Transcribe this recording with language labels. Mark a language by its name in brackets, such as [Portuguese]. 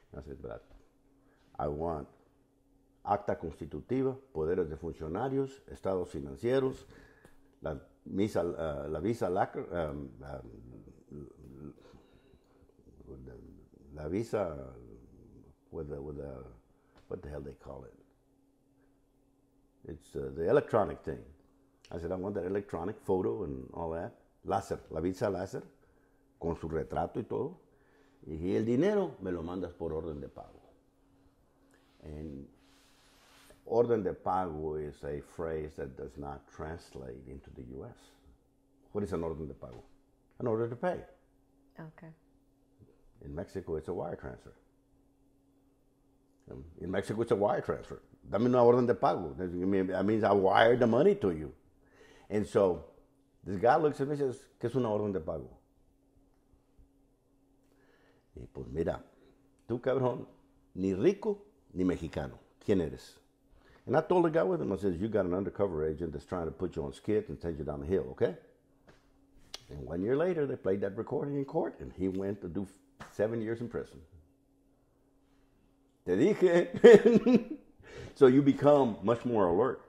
[English] And I said, but I want [Spanish] acta constitutiva, poderes de funcionarios, estados financieros, la visa, [English] what the hell they call it? It's the electronic thing. I said, I want that electronic photo and all that. [Spanish] Láser, la visa láser, con su retrato y todo. Y el dinero me lo mandas por orden de pago. [English] And orden de pago is a phrase that does not translate into the U.S. What is an orden de pago? An order to pay. Okay. In Mexico, it's a wire transfer. In Mexico, it's a wire transfer. [Spanish] Dame una orden de pago. [English] That means I wired the money to you. And so this guy looks at me and says, [Spanish] ¿Qué es una orden de pago? Y pues mira, tú cabrón, ni rico ni mexicano. ¿Quién eres? [English] And I told the guy with him, I says, you got an undercover agent that's trying to put you on skid and send you down the hill, okay? And 1 year later, they played that recording in court and he went to do 7 years in prison. [Spanish] Te dije. [English] So you become much more alert.